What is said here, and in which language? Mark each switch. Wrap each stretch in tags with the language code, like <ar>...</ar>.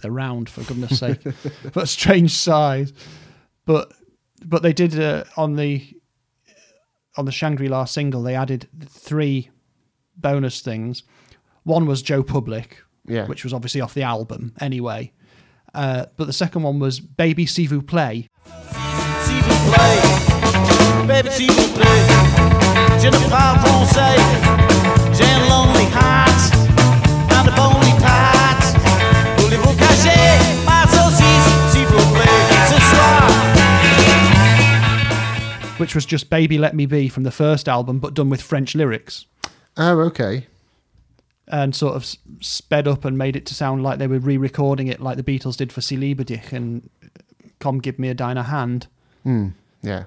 <en>They're round, for goodness sake. But a strange size. But they did, on the Shangri-La single, they added three bonus things. One was Joe Public, yeah, which was obviously off the album anyway. But the second one was Baby Si Vous Play.</en> <fr>Baby, si vous plaît, je ne parle français. J'ai un</fr> <en>lonely heart and a bony pat.</en> <fr>Voulez-vous cacher ma saucisse, si vous plaît, ce soir?</fr> <en>Which was just Baby Let Me Be from the first album, but done with French lyrics. Oh, okay. And sort of sped up and made it to sound like they were re-recording it, like the Beatles did for Sie Liebe Dich and Come Give Me a Deiner Hand. Mm, yeah.</en>